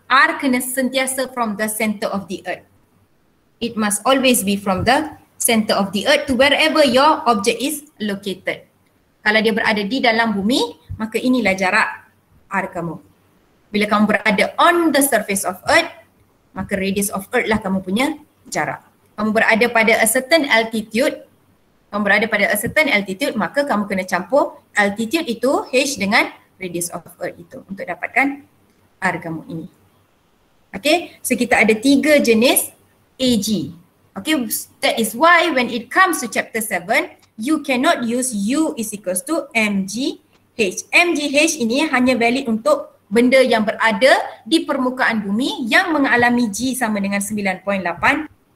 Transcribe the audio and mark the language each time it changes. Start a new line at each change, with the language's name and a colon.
English: R
Malay: kena sentiasa
English: from the center of the Earth. It must always be from the center of the Earth to wherever your object is located.
Malay: Kalau dia berada di dalam bumi, maka inilah jarak R kamu. Bila kamu berada
English: on the surface of Earth,
Malay: maka
English: radius of Earth
Malay: lah kamu punya jarak. Kamu berada pada
English: a certain altitude,
Malay: kamu berada pada a certain altitude, maka kamu kena campur altitude itu H dengan
English: radius of Earth
Malay: itu untuk dapatkan R kamu ini. Okay, so kita ada tiga jenis AG.
English: Okay, that is why when it comes to chapter 7, you cannot use U is equals to MGH.
Malay: MGH ini hanya valid untuk benda yang berada di permukaan bumi yang mengalami G sama dengan 9.81.